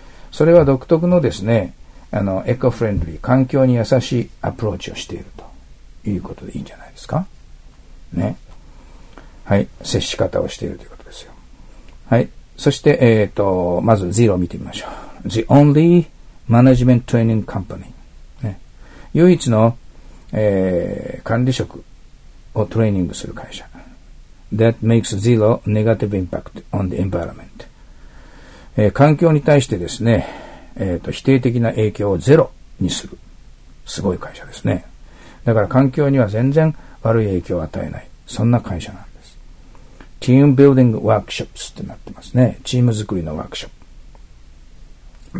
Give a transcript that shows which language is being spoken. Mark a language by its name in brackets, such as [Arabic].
[Japanese] それは独特のですね、eco-friendly、環境に優しいアプローチをしているということでいいんじゃないですか。ね。はい。接し方をしているということですよ。はい。そして、まず0を見てみましょう。 [English] The only management training company。 ね。 [Japanese] 唯一の、管理職をトレーニングする会社。 [English] That makes zero negative impact on the environment. [Japanese] 環境に対してですね、否定的な影響をゼロにする。すごい会社ですね。だから環境には全然悪い影響を与えない。そんな会社なんです。 [English] Team building workshops [Japanese] ってなってますね。チーム作りのワークショップ。